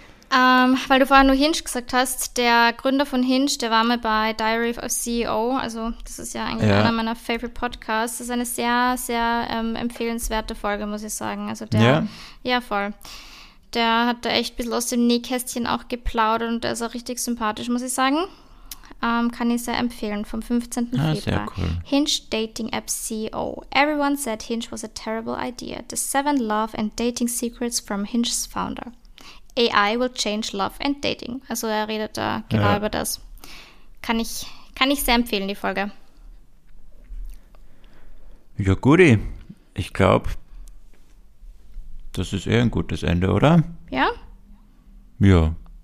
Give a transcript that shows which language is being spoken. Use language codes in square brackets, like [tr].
[de] Weil du vorhin nur Hinge gesagt hast, der Gründer von Hinge, der war mal bei Diary of CEO, also das ist ja eigentlich einer meiner Favorite Podcasts, das ist eine sehr, sehr empfehlenswerte Folge, muss ich sagen. Also der, voll. Der hat da echt ein bisschen aus dem Nähkästchen auch geplaudert und der ist auch richtig sympathisch, muss ich sagen. Kann ich sehr empfehlen, vom 15. Februar. Sehr cool. [en] Hinge Dating App CEO. Everyone said Hinge was a terrible idea. The 7 love and dating secrets from Hinge's founder. AI will change love and dating. [de] Also er redet da genau über das. Kann ich sehr empfehlen, die Folge. Ja, guti. Ich glaube, Das ist eher ein gutes Ende, oder? Ja? Ja.